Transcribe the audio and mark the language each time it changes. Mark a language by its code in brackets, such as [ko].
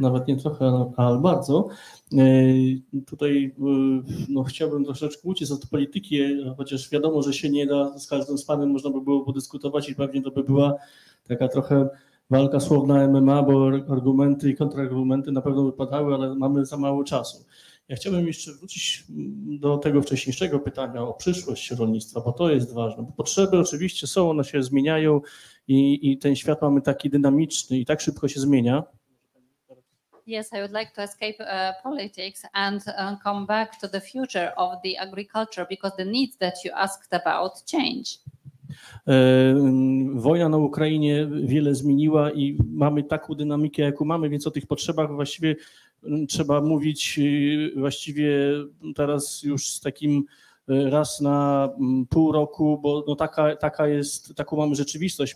[pl] Nawet nie trochę, ale bardzo. Tutaj no, chciałbym troszeczkę uciec od polityki, chociaż wiadomo, że się nie da, z każdym z panem można by było podyskutować i pewnie to by była taka trochę walka słowna MMA, bo argumenty i kontrargumenty na pewno wypadały, ale mamy za mało czasu. Ja chciałbym jeszcze wrócić do tego wcześniejszego pytania o przyszłość rolnictwa, bo to jest ważne. Bo potrzeby oczywiście są, one się zmieniają i ten świat mamy taki dynamiczny i tak szybko się zmienia. [en] Yes, I would like to escape politics and come back to the future of the agriculture, because the needs that you asked about change. [pl] Wojna na Ukrainie wiele zmieniła i mamy taką dynamikę, jaką mamy, więc o tych potrzebach właściwie trzeba mówić właściwie teraz już z takim raz na pół roku, bo no taka jest, taką mamy rzeczywistość.